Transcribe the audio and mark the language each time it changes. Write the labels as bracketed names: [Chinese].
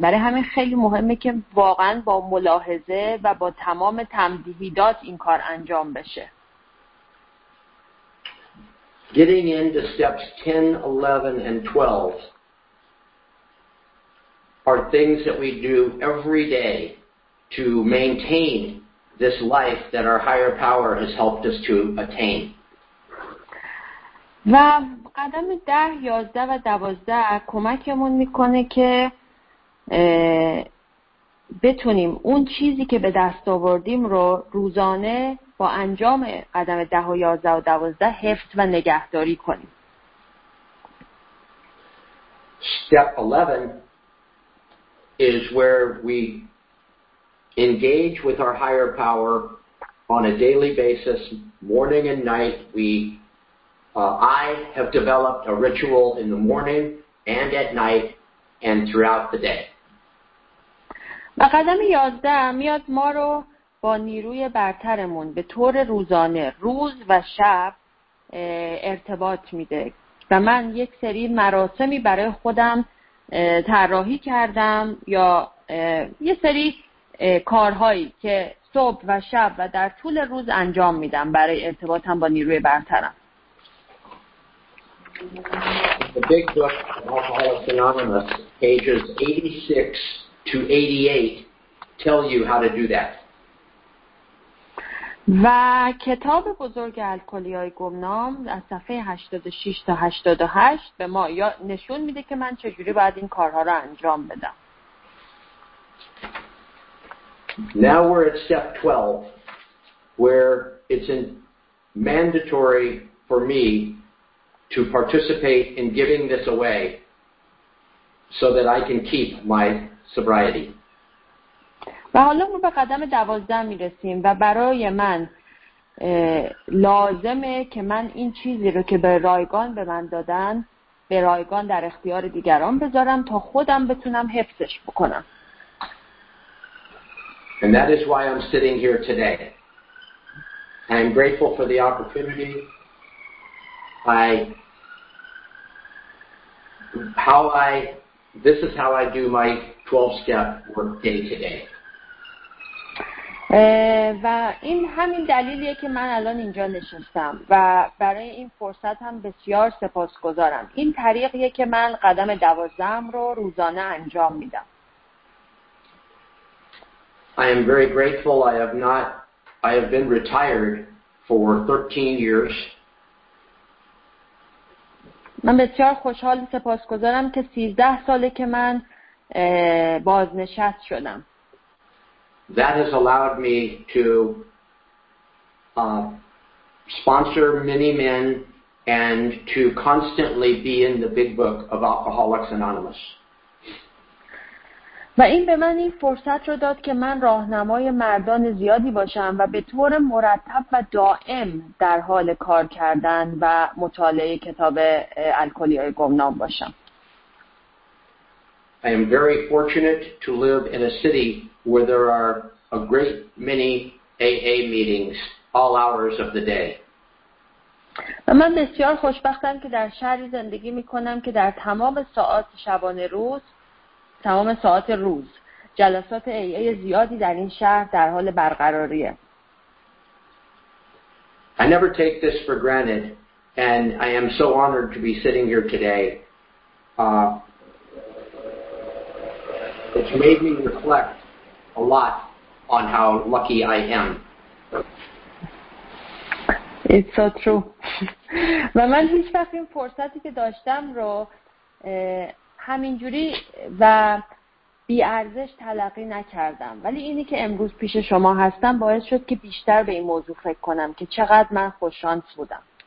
[Persian] برای همین خیلی مهمه که واقعا با ملاحظه و با تمام تمهیدات این کار انجام بشه. [English] Getting into steps 10, 11, and 12 are things that we do every day to maintain this life that our higher power has helped us to attain. [Persian] و قدم 10, 11, و 12 کمکمون میکنه که بتونیم اون چیزی که به دست آوردیم رو روزانه با انجام قدم 10 و 11 و 12 حفظ و نگهداری کنیم. [English] Step 11 is where we engage with our higher power on a daily basis, morning and night. I have developed a ritual in the morning and at night and throughout the day. [Persian] و قدم 11 میاد ما رو با نیروی برترمون به طور روزانه روز و شب ارتباط میده و من یک سری مراسمی برای خودم طراحی کردم یا یه سری کارهایی که صبح و شب و در طول روز انجام میدم برای ارتباطم با نیروی برترم. [English] The Big Book of Alcoholics Anonymous, pages 86 to 88 tell you how to do that. [Persian] و کتاب بزرگ الکلی‌های گمنام از صفحه 86 تا 88 به ما نشون میده که من چجوری باید این کارها رو انجام بدم. [English] Now we're at step 12 where it's mandatory for me to participate in giving this away so that I can keep my sobriety. [Persian] و حالا ما به قدم 12 میرسیم و برای من لازمه که من این چیزی رو که به رایگان به من دادن به رایگان در اختیار دیگران بذارم تا خودم بتونم حفظش بکنم. [English] And that is why I'm sitting here today. I am grateful for the opportunity. This is how I do my 12 step work day today. [Persian] و این همین دلیلیه که من الان اینجا نشستم و برای این فرصت هم بسیار سپاسگزارم. این طریقیه که من قدم 12 رو روزانه انجام میدم. [English] I am very grateful. I have been retired for 13 years. [Persian] من بسیار خوشحال سپاسگزارم که 13 ساله که من بازنشست شدم. [English] That has allowed me to sponsor many men and to constantly be in the big book of Alcoholics Anonymous. [Persian] و این به من این فرصت رو داد که من راهنمای مردان زیادی باشم و به طور مرتب و دائم در حال کار کردن و مطالعه کتاب الکلی‌های گمنام باشم. [English] I am very fortunate to live in a city where there are a great many AA meetings all hours of the day. [Persian] و من بسیار خوشبختم که در شهری زندگی می‌کنم که در تمام ساعات شبانه روز تمام ساعات روز جلسات AA زیادی در این شهر در حال برقراریه. [English] I never take this for granted and I am so honored to be sitting here today. It's made me reflect a lot on how lucky I am. It's so true. [Persian] و من هیچ وقت این فرصتی که داشتم رو همینجوری و بی ارزش تلقی نکردم، ولی اینی که امروز پیش شما هستم باعث شد که بیشتر به این موضوع فکر کنم که چقدر من خوش شانس بودم.